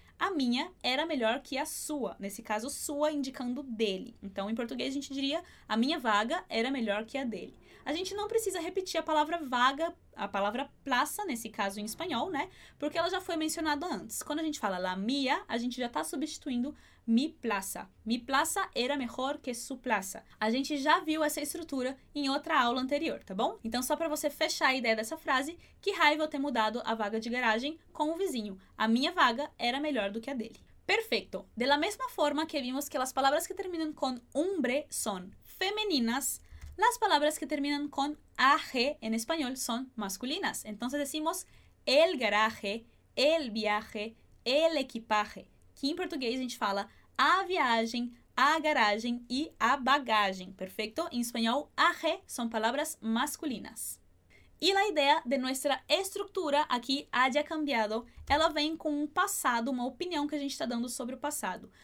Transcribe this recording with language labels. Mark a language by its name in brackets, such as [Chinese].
[Portuguese] A minha era melhor que a sua. Nesse caso, sua indicando dele. Então, em português, a gente diria a minha vaga era melhor que a dele. A gente não precisa repetir a palavra vaga, a palavra plaza, nesse caso em espanhol, né? Porque ela já foi mencionada antes. Quando a gente fala la mía, a gente já está substituindo mi plaza. [Spanish] Mi plaza era mejor que su plaza. [Portuguese] A gente já viu essa estrutura em outra aula anterior, tá bom? Então, só para você fechar a ideia dessa frase, que raiva eu ter mudado a vaga de garagem com o vizinho. A minha vaga era melhor do que a dele. Perfeito. De la mesma forma que vimos que as palavras que terminam com umbre são femininas, [Spanish] las palabras que terminan con aje en español son masculinas. Entonces decimos el garaje, el viaje, el equipaje. [Portuguese] que em português a gente fala a viagem, a garagem e a bagagem, perfeito? Em espanhol, arre são palavras masculinas. E a ideia de nossa estrutura aqui, haya cambiado, ela vem com um passado, uma opinião que a gente está dando sobre o passado.